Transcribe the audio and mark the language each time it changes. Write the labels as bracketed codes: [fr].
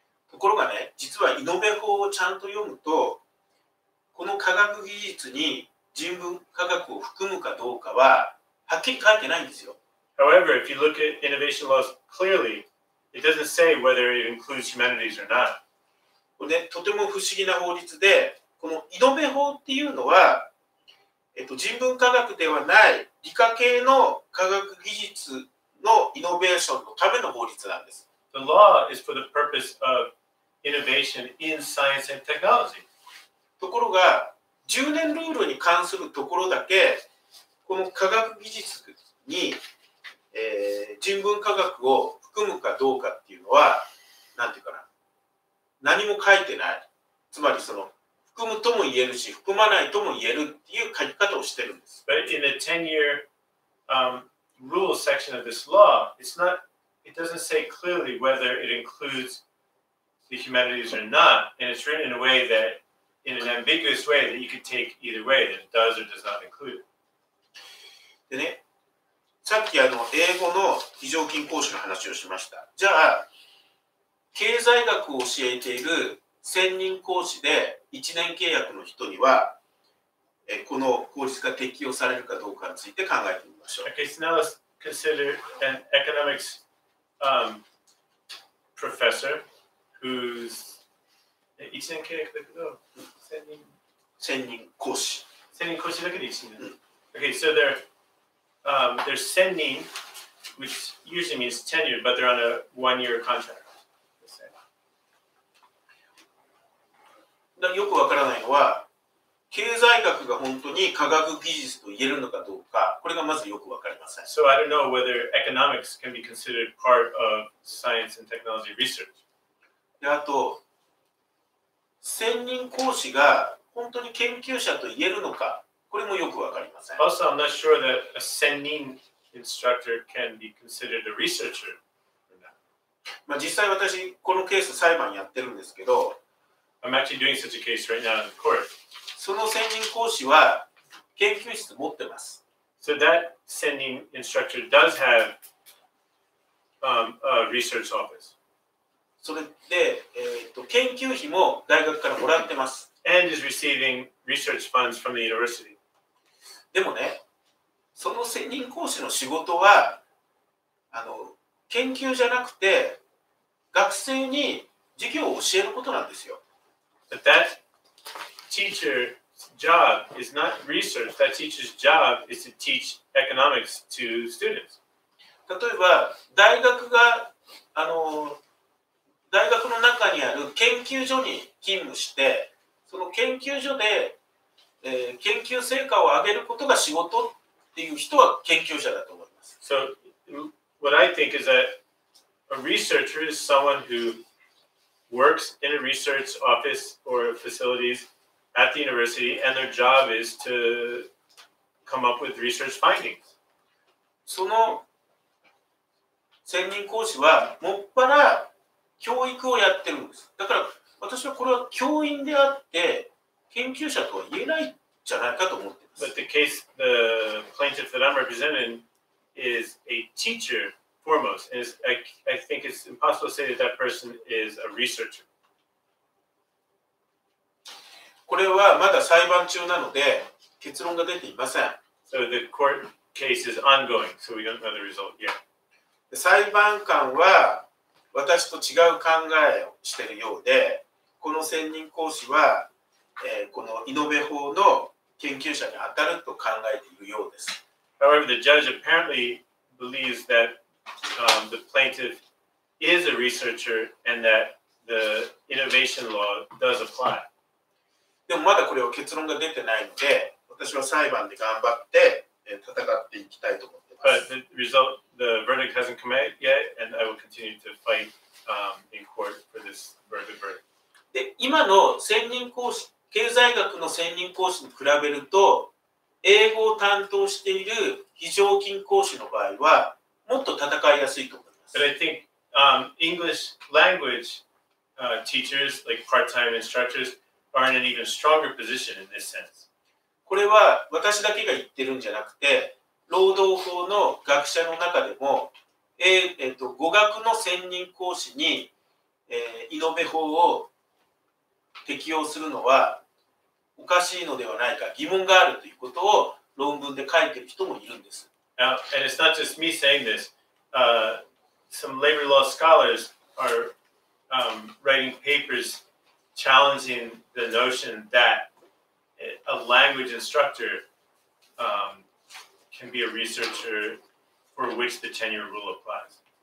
[ja] ところがね、実はイノベ法をちゃんと読むと、この科学技術に人文科学を含むかどうかは、はっきり書いてないんですよ。 [en] However, if you look at innovation laws clearly, it doesn't say whether it includes humanities or not. [ja] これね、とても不思議な法律で、このイノベ法っていうのは、人文科学ではない理科系の科学技術のイノベーションのための法律なんです。 [en] The law is for the purpose of innovation in science and technology. [ja] ところが、10年ルールに関するところだけ、この科学技術に、人文科学を含むかどうかっていうのは、なんていうかな、何も書いてない。つまりその、含むとも言えるし、含まないとも言えるっていう書き方をしてるんです。 [en] But in the 10-year, rule section of this law, it doesn't say clearly whether it includes the humanities or not, and it's written in a way that, in an ambiguous way, that you could take either way, that it does or does not include. [ja] でね、さっき英語の非常勤講師の話をしました。じゃあ、経済学を教えている専任講師で1年契約の人には、この法律が適用されるかどうかについて考えてみましょう。 [en] Okay, so now let's consider an economics, professor who's [ja] 1年契約だけど、専任講師だけで1年。 [en] Okay, so they're 専任, which usually means tenured, but they're on a one-year contract. [ja] よくわからないのは、経済学が本当に科学技術と言えるのかどうか、これがまずよくわかりません。 [en] So I don't know whether economics can be considered part of science and technology research. [ja] で、あと専任講師が本当に研究者と言えるのか、これもよくわかりません。 [en] Also, I'm not sure that a 専任 instructor can be considered a researcher. [ja] まあ実際私このケース裁判やってるんですけど、 [en] I'm actually doing such a case right now in court. [ja] その専任講師は研究室持ってます。 [en] So that 専任 instructor does have、a research office. [ja] それで、研究費も大学からもらってます。 [en] And is receiving research funds from the university. [ja] でもね、その専任講師の仕事は研究じゃなくて学生に授業を教えることなんですよ。 [en] But that teacher's job is not research. That teacher's job is to teach economics to students. [ja] 例えば大学が大学の中にある研究所に勤務して、その研究所で、研究成果を上げることが仕事っていう人は研究者だと思います。 [en] So, what I think is that a researcher is someone who works in a research office or facilities at the university, and their job is to come up with research findings. [ja] その専任講師はもっぱら教育をやってるんです。だから私はこれは教員であって研究者とは言えないじゃないかと思ってます。 [en] But the case, the plaintiff that I'm representing is a teacher foremost. And I think it's impossible to say that that person is a researcher. [ja] これはまだ裁判中なので結論が出ていません。 [en] So the court case is ongoing, so we don't know the result yet. [ja] で、裁判官は私と違う考えをしているようで、この専任講師は、このイノベ法の研究者に当たると考えているようです。 [en] However, the judge apparently believes that、the plaintiff is a researcher and that the innovation law does apply. [ja] でもまだこれは結論が出てないので、私は裁判で頑張って、戦っていきたいと思っています。 [en] But the result, the verdict hasn't come out yet, and I will continue to fight、in court for this verdict. [ja] で、今の専任講師、経済学の専任講師に比べると、英語を担当している非常勤講師の場合は、もっと戦いやすいと思います。 [en] But I think、English language、teachers, like part-time instructors, are in an even stronger position in this sense. [ja] これは私だけが言ってるんじゃなくて、労働法の学者の中でも、語学の専任講師に、イノベ法を適用するのはおかしいのではないか、疑問があるということを論文で書いている人もいるんです。 [en] Now, and it's not just me saying this.、some labor law scholars are、writing papers challenging the notion that a language instructor、can be a researcher for which the tenure rule applies.